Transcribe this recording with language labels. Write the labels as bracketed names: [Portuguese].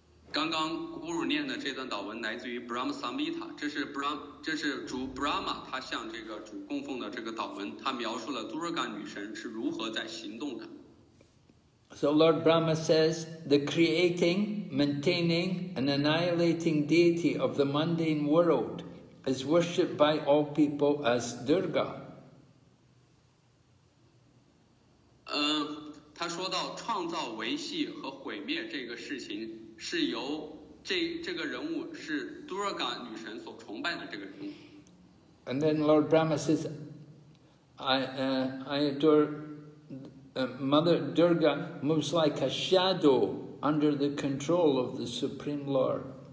[Chinese] 刚刚 Guru 念的这段祷文来自于 Brahma Samhita， 这是主 Brahma 他向这个主供奉的这个祷文，他描述了 Durga 女神是如何在行动的。 [English] So Lord Brahma says, the creating, maintaining, and annihilating deity of the mundane world is worshipped by all people as Durga. [Chinese] 他说到创造、维系和毁灭这个事情是由这个人物是 Durga 女神所崇拜的这个人物。 [English] And then Lord Brahma says, I adore. Mother Durga moves like a shadow under the control of the Supreme Lord.